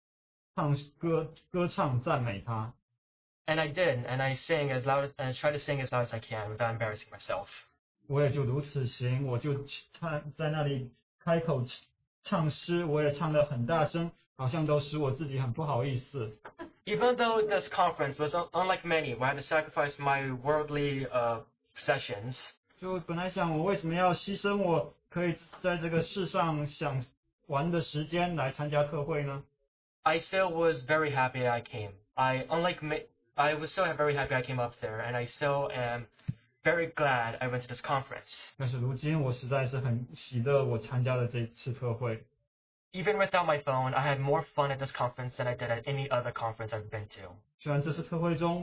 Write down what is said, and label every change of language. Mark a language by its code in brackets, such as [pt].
[zh] 但是我就感觉到神向我说话，他要我起来唱歌，歌唱赞美他。 [en] And I did, and I sang as loud as, and I tried to sing as loud as I can without embarrassing myself. [zh] 我也就如此行，我就在那里开口。唱诗，我也唱得很大声，好像都使我自己很不好意思。 [en] Even though this conference was unlike many, where I had to sacrifice my worldly possessions. [zh] 就本来想，我为什么要牺牲我可以在这个世上想玩的时间来参加特会呢？ [en] I still was very happy I came. I was still very happy I came up there, and I still am very glad I went to this conference. [zh] 但是如今，我实在是很喜乐，我参加了这次特会。 [en] Even without my phone, I had more fun at this conference than I did at any other conference I've been to.